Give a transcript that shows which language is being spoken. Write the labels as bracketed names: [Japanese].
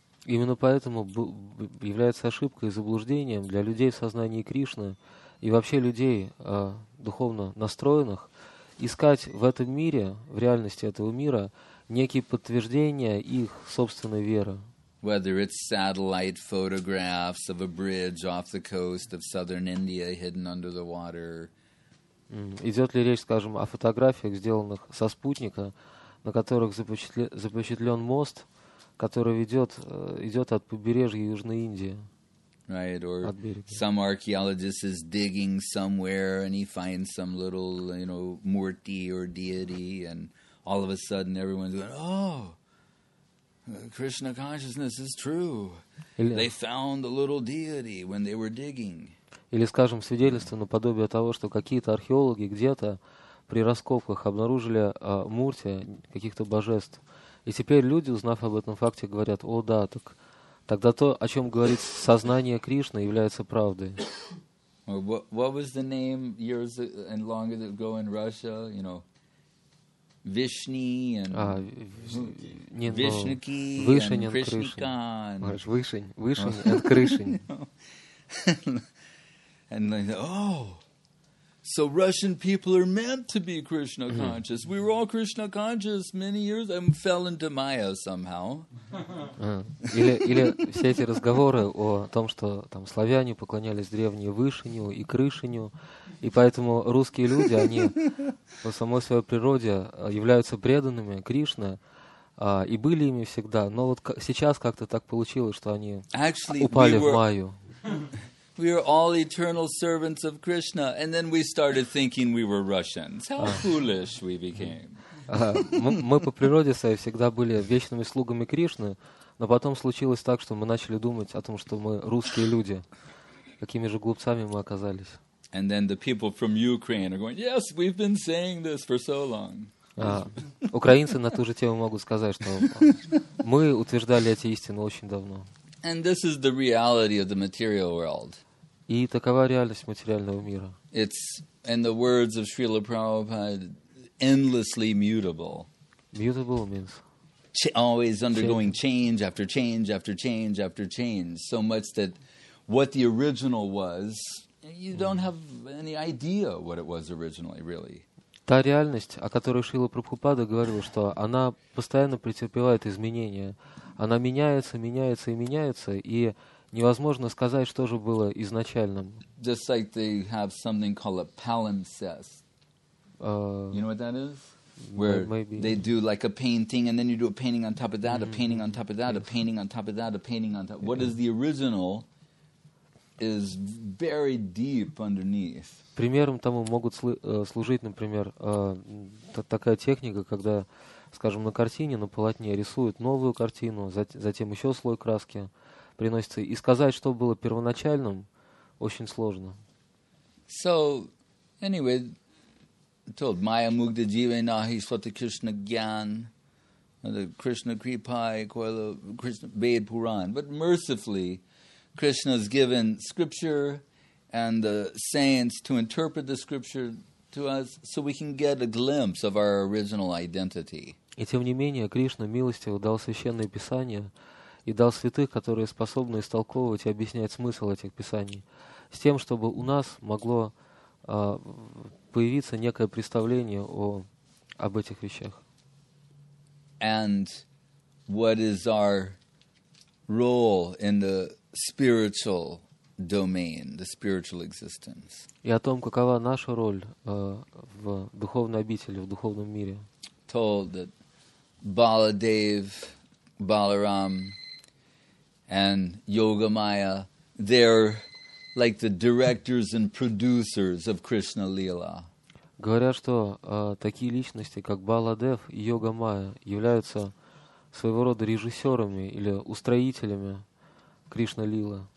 [Russian] Именно поэтому является ошибкой и заблуждением для людей в сознании Кришны и вообще людей духовно настроенных искать в этом мире, в реальности этого мира, некие подтверждения их собственной веры. [English] Whether it's satellite photographs of a bridge off the coast of southern India hidden under the water. [Russian] Идет ли речь, скажем, о фотографиях, сделанных со спутника, на которых запечатлен мост, который идет от побережья Южной Индии. [English] Right, or some archaeologist is digging somewhere and he finds some little, you know, murti or deity, and all of a sudden everyone's going, oh, Krishna consciousness is true. [Russian] Или... [English] They found a little deity when they were digging. [Russian] Или, скажем, свидетельство наподобие того, что какие-то археологи где-то при раскопках обнаружили мурти, каких-то божеств. И теперь люди, узнав об этом факте, говорят, о да, так тогда то, о чем говорит сознание Кришны, является правдой. [English] What was the name years and long ago in Russia, you know, Vishni and Vishniki and Krishnika. Вышень and Krishny. And then, oh, so Russian people are meant to be Krishna conscious. We were all Krishna conscious many years and fell into Maya somehow. [Russian] Или все эти разговоры о том, что там славяне поклонялись древней Вышиню и Крышиню, и поэтому русские люди, они по самой своей природе являются преданными Кришне, и были ими всегда. Но вот сейчас как-то так получилось, что они упали в Майю. [English] We are all eternal servants of Krishna, and then we started thinking we were Russians. How foolish we became. [Russian] Мы по природе своей всегда были вечными слугами Кришны, но потом случилось так, что мы начали думать о том, что мы русские люди. Какими же глупцами мы оказались. [English] And then the people from Ukraine are going, yes, we've been saying this for so long. [Russian] Украинцы на ту же тему могут сказать, что мы утверждали эти истины очень давно. [English] And this is the reality of the material world. [Russian] И такова реальность материального мира. [English] It's, in the words of Srila Prabhupada, endlessly mutable. Mutable means? Always undergoing change after change after change after change. So much that what the original was, you don't have any idea what it was originally, really. [Russian] Та реальность, о которой Шрила Прабхупада говорил, что она постоянно претерпевает изменения. Она меняется, меняется и меняется, и невозможно сказать, что же было изначальным. [English] Just like they have something called a palimpsest. You know what that is? Where they do like a painting, and then you do a painting on top of that, a painting on top of that, a painting on top of that, a painting on top. What is the original is very deep underneath. [Russian] Примером тому могут служить, например, такая техника, когда, скажем, на картине, на полотне рисуют новую картину, затем еще слой краски приносится. И сказать, что было первоначальным, очень сложно. So, anyway, told Maya Mugda Jivanahi Swati Krishna Gyan, the Krishna Kripai, Koila, Krishna Ved Puran. [English] But mercifully, Krishna has given scripture and the saints to interpret the scripture to us so we can get a glimpse of our original identity. [Russian] И тем не менее, Кришна милостиво дал священное писание и дал святых, которые способны истолковывать и объяснять смысл этих писаний, с тем, чтобы у нас могло появиться некое представление об этих вещах. [English] And what is our role in the spiritual domain, the spiritual existence. [Russian] И о том, какова наша роль в духовной обители, в духовном мире. [English] Told that Baladev, Balaram, and Yogamaya, they're like the directors and producers of Krishna Lila. [Russian] Говорят, что такие личности, как Баладев и Йогамая, являются своего рода режиссерами или устроителями Кришна Лила.